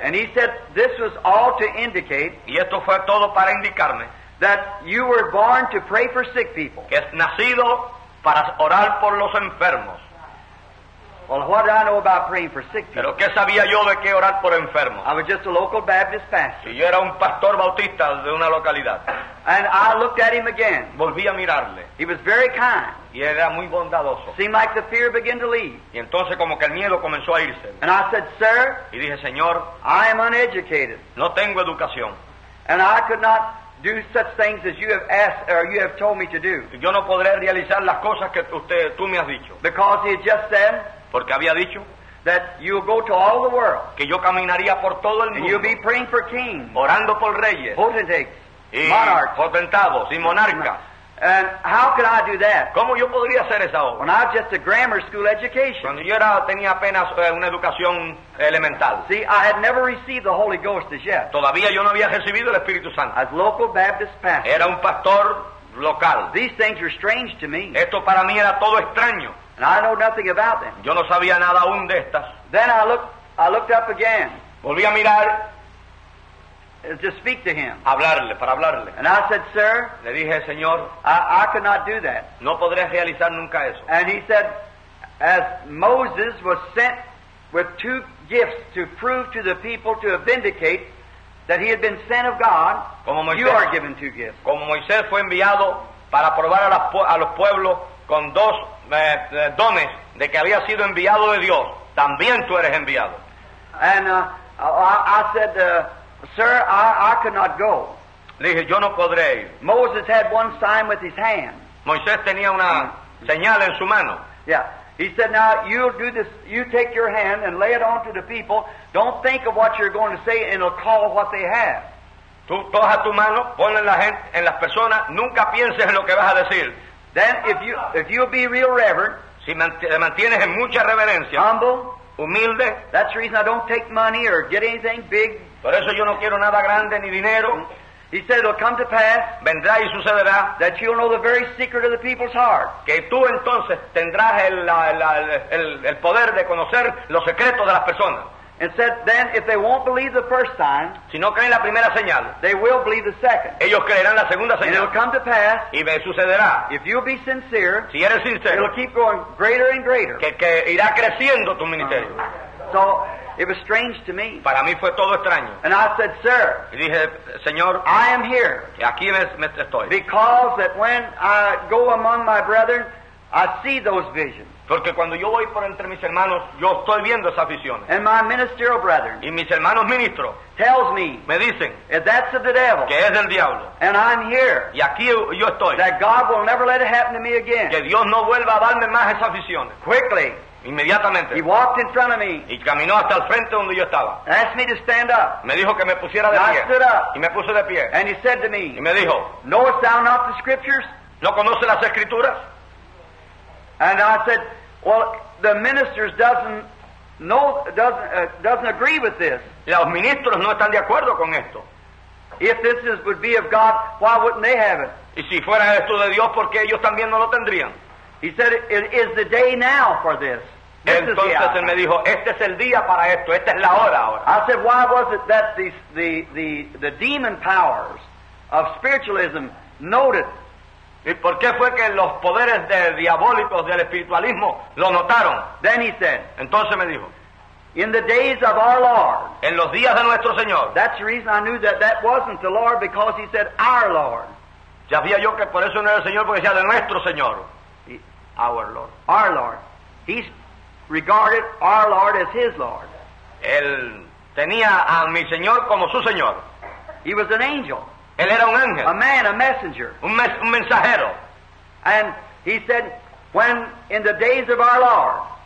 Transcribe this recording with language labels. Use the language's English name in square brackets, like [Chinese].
[English] And he said this was all to indicate. [Spanish] Y esto fue todo para indicarme. [English] That you were born to pray for sick people. [Spanish] Que es nacido para orar por los enfermos. [English] Well, what did I know about praying for sick people? [Spanish] Pero qué sabía yo de qué orar por enfermos. [English] I was just a local Baptist pastor. [Spanish] Y yo era un pastor bautista de una localidad. [English] And I looked at him again. [Spanish] Volví a mirarle. [English] He was very kind. [Spanish] Y era muy bondadoso. [English] Seemed like the fear began to leave. [Spanish] Y entonces como que el miedo comenzó a irse. [English] And I said, sir. [Spanish] Y dije, señor. [English] I am uneducated. [Spanish] No tengo educación. [English] And I could not do such things as you have asked or you have told me to do. [Spanish] Yo no podré realizar las cosas que usted, tú me has dicho. [English] Because he had just said. [Spanish] Porque había dicho [English] that you'll go to all the world, [Spanish] que yo caminaría por todo el mundo, [English] and you'll be praying for kings, [Spanish] orando por reyes, [English] potentates, [Spanish] y [English] monarchs, [Spanish] potentados y monarcas. [English] And how could I do that? [Spanish] ¿Cómo yo podría hacer esa obra? [English] When I was just a grammar school education. [Spanish] Cuando yo era, tenía apenas una educación elemental. [English] See, I had never received the Holy Ghost as yet. [Spanish] Todavía yo no había recibido el Espíritu Santo. [English] As local Baptist pastor. [Spanish] Era un pastor local. [English] These things are strange to me. [Spanish] Esto para mí era todo extraño. [English] And I know nothing about them. [Spanish] Yo no sabía nada aún de estas. [English] Then I looked up again. [Spanish] Volví a mirar. [English] To speak to him. [Spanish] Hablarle, para hablarle. [English] And I said, sir. [Spanish] Le dije, señor. [English] I could not do that. [Spanish] No podré realizar nunca eso. [English] And he said, as Moses was sent with two gifts to prove to the people to vindicate that he had been sent of God, [Spanish] como Moisés, [English] you are given two gifts. [Spanish] Como Moisés fue enviado para probar a los pueblos con dos dones de que había sido enviado de Dios, también tú eres enviado. [English] And I said, sir, I could not go. [Spanish] Le dije, yo no podré ir. [English] Moses had one sign with his hand. [Spanish] Moisés tenía una señal en su mano. [English] Yeah. He said, now you do this, you take your hand and lay it onto the people. Don't think of what you're going to say and it'll call what they have. [Spanish] Tú toja tu mano, ponla en las personas, nunca pienses en lo que vas a decir. [English] Then if you'll be real reverent, [Spanish] si mantienes en mucha reverencia, [English] humble, [Spanish] humilde, [English] that's the reason I don't take money or get anything big. [Spanish] Por eso yo no quiero nada grande ni dinero. [English] He said it'll come to pass, [Spanish] vendrá y sucederá, [English] that you'll know the very secret of the people's heart. [Spanish] Que tú entonces tendrás el poder de conocer los secretos de las personas. [English] And said, then if they won't believe the first time, [Spanish] si no creen la primera señal, [English] they will believe the second. [Spanish] Ellos creerán la segunda señal. [English] And it'll come to pass. [Spanish] Y me sucederá. [English] If you'll be sincere, [Spanish] si eres sincero, [English] it'll keep going greater and greater. [Spanish] Que irá creciendo tu ministerio. [English] So it was strange to me. [Spanish] Para mí fue todo extraño. [English] And I said, sir, [Spanish] y dije, señor, [English] I am here. [Spanish] Y aquí me estoy. [English] Because that when I go among my brethren, I see those visions. [Spanish] Porque cuando yo voy por entre mis hermanos, yo estoy viendo esas visiones. [English] And my ministerial brethren, [Spanish] y mis hermanos ministros, [English] tells me, [Spanish] me dicen, [English] that's of the devil, [Spanish] que es del diablo. [English] And I'm here, [Spanish] y aquí yo estoy, [English] that God will never let it happen to me again. [Spanish] Que Dios no vuelva a darme más esas visiones. [English] Quickly, [Spanish] inmediatamente, [English] he walked in front of me, [Spanish] y caminó hasta el frente donde yo estaba. [English] Asked me to stand up, [Spanish] me dijo que me pusiera de [English] and [Spanish] pie, [English] I stood up, [Spanish] y me puso de pie. [English] And he said to me, [Spanish] y me dijo, [English] knowest thou not the scriptures? [Spanish] ¿No conoces las escrituras? [English] And I said, well, the ministers doesn't agree with this. [Spanish] Los ministros no están de acuerdo con esto. [English] If this is, would be of God, why wouldn't they have it? [Spanish] Y si fuera esto de Dios, ¿por qué ellos también no lo tendrían? [English] He said, it is the day now for this. [Spanish] Entonces él me dijo, este es el día para esto, esta es la hora ahora. [English] I said, why was it that the demon powers of spiritualism noted? [Spanish] ¿Y por qué fue que los poderes de diabólicos del espiritualismo lo notaron? [English] Then he said, [Spanish] entonces me dijo, [English] in the days of our Lord, [Spanish] en los días de nuestro Señor, [English] that's the reason I knew that that wasn't the Lord, because he said our Lord. [Spanish] Ya sabía yo que por eso no era el Señor, porque decía de nuestro Señor. [English] Our Lord. Our Lord. He regarded our Lord as his Lord. [Spanish] Él tenía a mi Señor como su Señor. [English] He was an angel. [Spanish] Él era un ángel. [English] A man, a messenger. [Spanish] Un mensajero. [English] And he said, when in the days of our Lord,